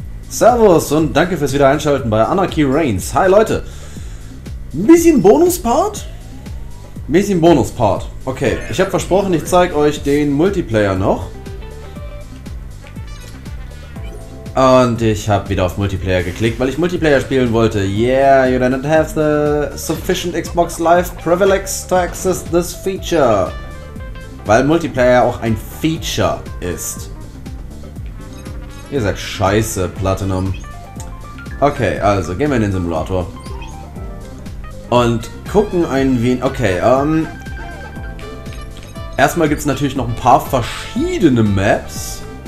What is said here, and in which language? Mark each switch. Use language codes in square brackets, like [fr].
[de] Servus und danke fürs Wiedereinschalten bei Anarchy Reigns. Hi Leute! Bisschen Bonus-Part. Okay, ich habe versprochen, ich zeige euch den Multiplayer noch. Und ich habe wieder auf Multiplayer geklickt, weil ich Multiplayer spielen wollte. [en] Yeah, you don't have the sufficient Xbox Live Privilege to access this feature. [de] Weil Multiplayer auch ein Feature ist. Ihr seid scheiße, Platinum. Okay, also, gehen wir in den Simulator. Und gucken ein wenig... Okay, erstmal gibt es natürlich noch ein paar verschiedene Maps.